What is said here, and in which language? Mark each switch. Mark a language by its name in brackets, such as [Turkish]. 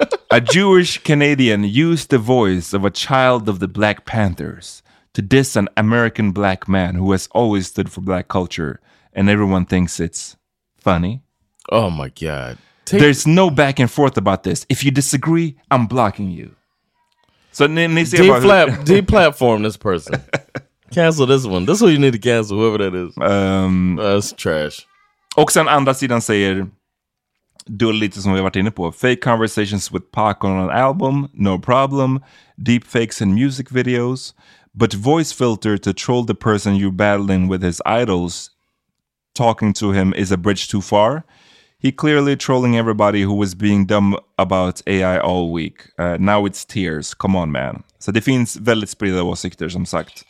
[English] A Jewish Canadian used the voice of a child of the Black Panthers to diss an American black man who has always stood for black culture and everyone thinks it's funny. Oh my God. There's no back and forth about this. If you disagree, I'm blocking you. So deplatform this person. Cancel this one. This is what you need to cancel, whoever that is. That's trash. [Swedish] Och sen andra sidan säger du lite som vi har varit inne på. [English] Fake conversations with Pac on an album, no problem. Deep fakes in music videos. But voice filter to troll the person you're battling with his idols, talking to him is a bridge too far. He clearly trolling everybody who was being dumb about AI all week. Now it's tears. Come on, man. [Swedish] Så det finns väldigt spridda åsikter, som sagt.